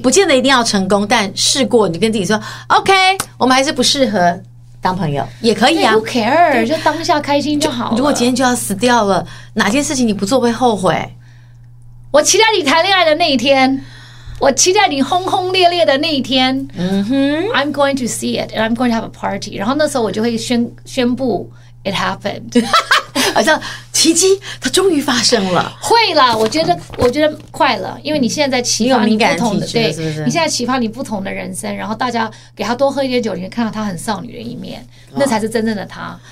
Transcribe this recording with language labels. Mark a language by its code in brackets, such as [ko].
[zh] 不见得一定要成功，但试过你跟自己说 ，OK， 我们还是不适合。当朋友也可以啊， [en] Who care？ [zh] 就当下开心就好了。如果今天就要死掉了，哪件事情你不做会后悔？我期待你谈恋爱的那一天，我期待你轰轰烈烈的那一天。 [en] I'm going to see it and I'm going to have a party。 [zh] 然后那时候我就会宣布 [en] it happened， [zh] 好像奇迹，它终于发生了。会了，我觉得快了，因为你现在在启发你不同的，是不是对，你现在启发你不同的人生，然后大家给他多喝一点酒，你看到他很少女的一面，那才是真正的他。